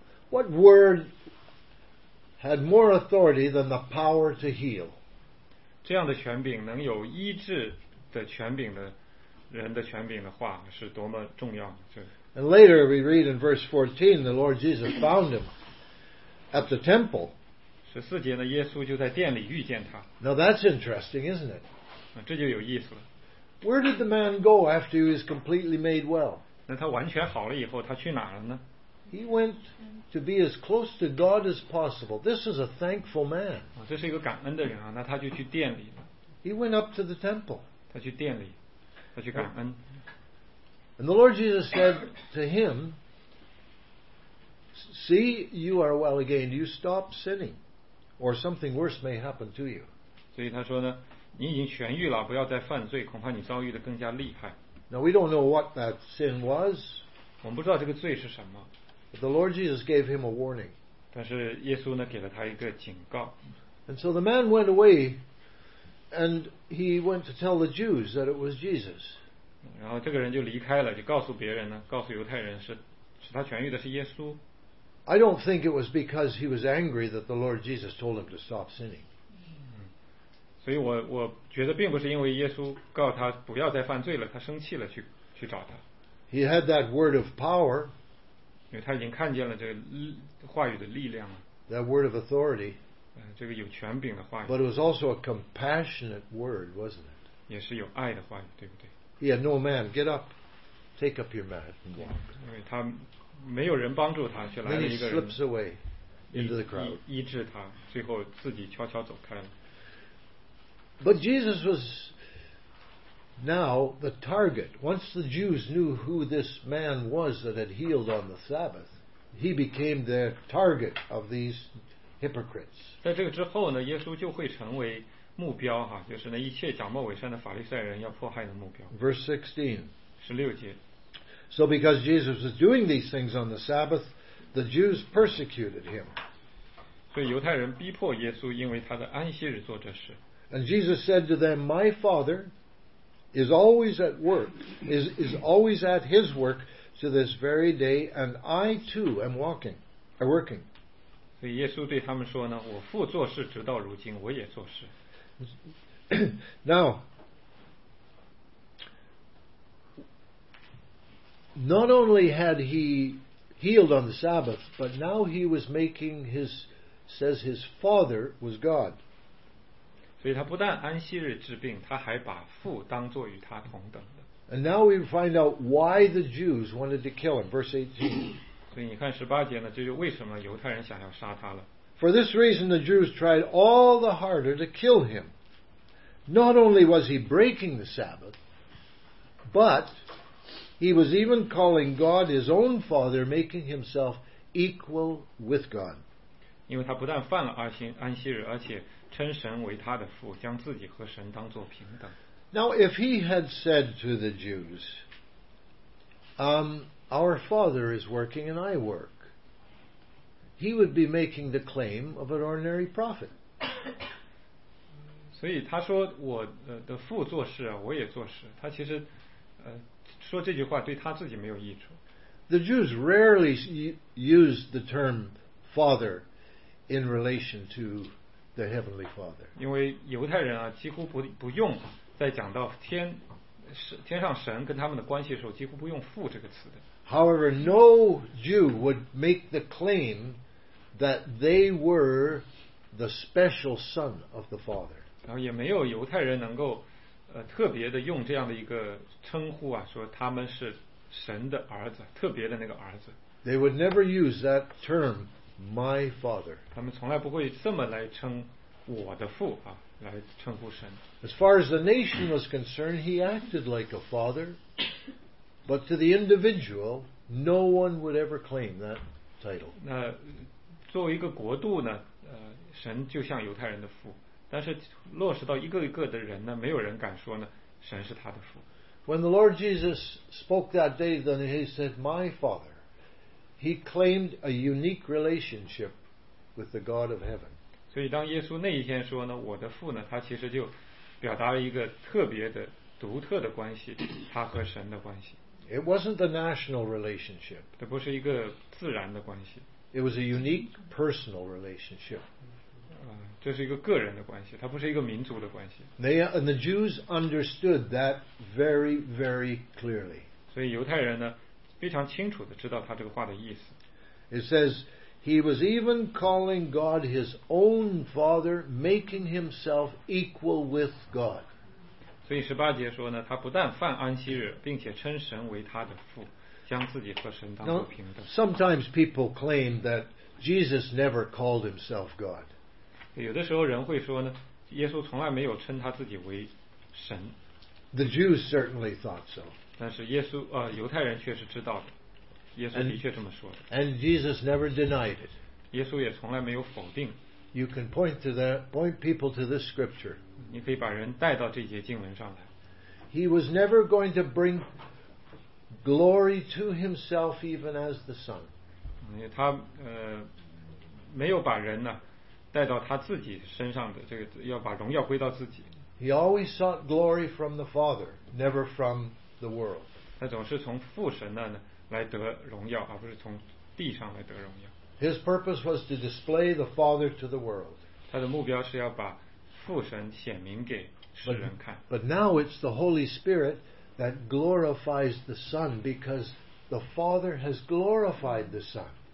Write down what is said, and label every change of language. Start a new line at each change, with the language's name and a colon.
English: What word had more authority than the power to heal?
Chinese: 这样的权柄能有医治的权柄的人的权柄的话，是多么重要的。
English: And later we read in verse 14, the Lord Jesus found him at the temple.
Chinese: 14节呢，耶稣就在殿里遇见他。
English: Now that's interesting, isn't it?
Chinese: 这就有意思了。
English: Where did the man go after he was completely made well?
Chinese: 那他完全好了以后，他去哪了呢？
English: He went to be as close to God as possible. This is a thankful man.
Chinese: 这是一个感恩的人啊，那他就去殿里了。
English: He went up to the temple.
Chinese: 他去殿里，他去感恩。
English: And the Lord Jesus said to him, "See, you are well again. You stop sinning." Or something worse may happen to you.
Chinese: 所以他说呢，你已经痊愈了，不要再犯罪，恐怕你遭遇的更加厉害。
English: Now we don't know what that sin was.
Chinese: 我们不知道这个罪是什么。
English: The Lord Jesus gave him a warning.
Chinese: 但是耶稣呢，给了他一个警告。
English: And so the man went away, and he went to tell the Jews that it was Jesus.
Chinese: 然后这个人就离开了，就告诉别人呢，告诉犹太人是使他痊愈的是耶稣。
English: I don't think it was because he was angry that the Lord Jesus told him to stop sinning.
Chinese: 所以我觉得并不是因为耶稣告他不要再犯罪了，他生气了去找他。
English: He had that word of power.
Chinese: 因为他已经看见了这个话语的力量了。
English: That word of authority.
Chinese: 这个有权柄的话语。
English: But it was also a compassionate word, wasn't it?
Chinese: 也是有爱的话语，对不对？
English: He had no man. Get up. Take up your mat.
Chinese: 因为他没有人帮助他，却来了一个人。
English: He slips away into the crowd.
Chinese: 医治他，最后自己悄悄走开了。
English: But Jesus was now the target. Once the Jews knew who this man was that had healed on the Sabbath, he became the target of these hypocrites.
Chinese: 在这个之后呢，耶稣就会成为目标哈，就是那一切假冒伪善的法利赛人要迫害的目标。
English: Verse 16.
Chinese: 十六节。
English: So because Jesus was doing these things on the Sabbath, the Jews persecuted him.
Chinese: 所以犹太人逼迫耶稣，因为他在安息日做这事。
English: And Jesus said to them, My Father is always at work, is always at his work to this very day, and I too am walking, am working.
Chinese: 所以耶稣对他们说呢，我父做事直到如今，我也做事。
English: Now, not only had he healed on the Sabbath, but now he was making his, says his Father was God.
Chinese: 所以他不但安息日治病，他还把父当作与他同等的。
English: And now we find out why the Jews wanted to kill him. Verse 18.
Chinese: 所以你看十八节呢，这就为什么犹太人想要杀他了。
English: For this reason, the Jews tried all the harder to kill him. Not only was he breaking the Sabbath, but he was even calling God his own father, making himself equal with God.
Chinese: 因为他不但犯了安息日，而且称神为他的父，将自己和神当作平等。
English: Now, if he had said to the Jews, "Our Father is working and I work," he would be making the claim of an ordinary prophet.
Chinese: 所以他说我的父做事啊，我也做事。他其实说这句话对他自己没有益处。
English: The Jews rarely use the term "father" in relation to. The Heavenly Father.
Chinese: 因为犹太人啊，几乎不用在讲到天上神跟他们的关系的时候，几乎不用父这个词的。
English: However, no Jew would make the claim that they were the special son of the Father.
Chinese: 然后也没有犹太人能够特别的用这样的一个称呼啊，说他们是神的儿子，特别的那个儿子。
English: They would never use that term. My father.
Chinese: 他们从来不会这么来称我的父啊，来称呼神。
English: As far as the nation was concerned, he acted like a father, but to the individual, no one would ever claim that title.
Chinese: 那作为一个国度呢，神就像犹太人的父，但是落实到一个一个的人呢，没有人敢说呢，神是他的父。
English: When the Lord Jesus spoke that day, then he said, "My father." He claimed a unique relationship with the God of heaven.
Chinese: 所以当耶稣那一天说呢，我的父呢，他其实就表达了一个特别的、独特的关系，他和神的关系。
English: It wasn't the national relationship.
Chinese: 这不是一个自然的关系。
English: It was a unique personal relationship.
Chinese: 这是一个个人的关系，它不是一个民族的关系。
English: And the Jews understood that very, very clearly.
Chinese: 所以犹太人呢？非常清楚地知道他这个话的意思。
English: It says, he was even calling God his own father, making himself equal with God.
Chinese: 所以十八节说呢，他不但犯安息日，并且称神为他的父，将自己和神当作平等。
English: Now, sometimes people claim that Jesus never called himself God.
Chinese: 有的时候人会说呢，耶稣从来没有称他自己为神。
English: The Jews certainly thought so.
Chinese: 但是耶稣犹太人却是知道的，耶稣的确这么说的。
English: And Jesus never denied it.
Chinese: 耶稣也从来没有否定。
English: You can point people to this scripture.
Chinese: 你可以把人带到这节经文上来。
English: He was never going to bring glory to himself even as the Son.
Chinese: 他没有把人呢带到他自己身上的这个，要把荣耀归到自己。
English: He always sought glory from the Father, never from the world.
Chinese: 他总是从父神那呢来得荣耀，而不是从地上来得荣耀。
English: His purpose was to display the Father to the world.
Chinese: 他的目标是要把父神显明给世人看。
English: But now it's the Holy Spirit that glorifies the Son because the Father has glorified the Son.